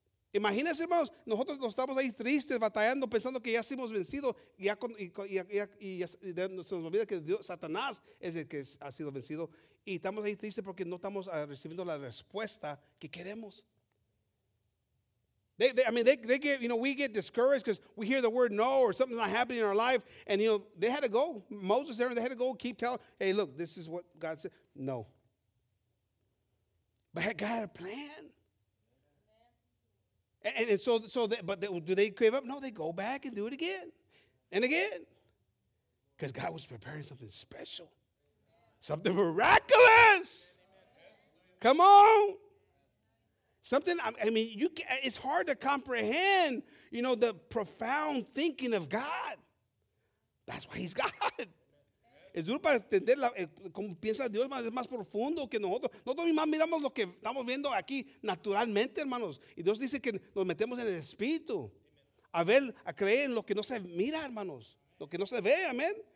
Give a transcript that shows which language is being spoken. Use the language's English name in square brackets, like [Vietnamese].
[Spanish] Imagínense, hermanos, nosotros nos estamos ahí tristes, batallando, pensando que ya hemos vencido. Y ya se nos olvida que Dios, Satanás, es el que ha sido vencido. Y estamos ahí tristes porque no estamos recibiendo la respuesta que queremos. [English] We get discouraged because we hear the word no or something's not happening in our life. And, you know, they had to go. Moses, Aaron, they had to go keep telling, hey, look, this is what God said. No. But God had a plan. Do they give up? No, they go back and do it again and again. Because God was preparing something special, something miraculous. Come on. It's hard to comprehend, you know, the profound thinking of God. That's why he's God. [Spanish] Es duro para entender cómo piensa Dios, es más profundo que nosotros. Nosotros más miramos lo que estamos viendo aquí naturalmente, hermanos. Y Dios dice que nos metemos en el Espíritu. A ver, a creer en lo que no se mira, hermanos. Lo que no se ve, amén.